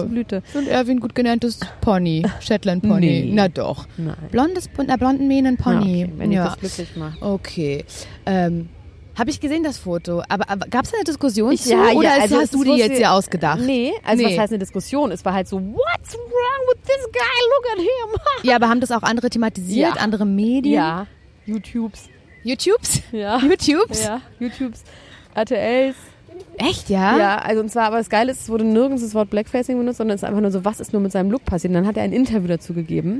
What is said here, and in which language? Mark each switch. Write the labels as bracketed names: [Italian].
[German] zu Blüte. Und Erwin, gut genanntes Pony, Shetland Pony. Nee. Na doch. Nein. Blondes, einer blonden Mähnen Pony. Okay. Wenn ja. ich das glücklich mache. Okay. Habe ich gesehen, das Foto. Aber gab es eine Diskussion ich, ja, zu? Ja, oder also hast du die jetzt hier ausgedacht? Nee. Was heißt eine Diskussion? Es war halt so, [English] what's wrong with this guy? Look at him. [German] Ja, aber haben das auch andere thematisiert? Ja. Andere Medien? Ja. YouTubes. YouTubes? Ja. YouTubes? Ja. YouTubes. RTLs. Echt, ja? Ja, also und zwar, aber das Geile ist, es wurde nirgends das Wort Blackfacing benutzt, sondern es ist einfach nur so, was ist nur mit seinem Look passiert? Und dann hat er ein Interview dazu gegeben.